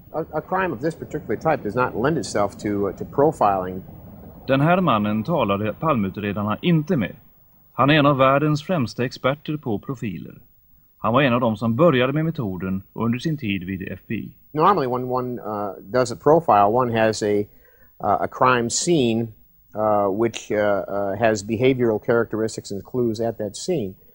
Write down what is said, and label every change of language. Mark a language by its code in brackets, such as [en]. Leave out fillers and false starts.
[en] A crime of this particular type does not lend itself to profiling. [sv] Den här mannen talade palmutredarna inte med. Han är en av världens främsta experter på profiler. Han var en av dem som började med metoden under sin tid vid FBI. [en] Normally when one does a profile, one has a crime scene which has behavioral characteristics and clues at that scene.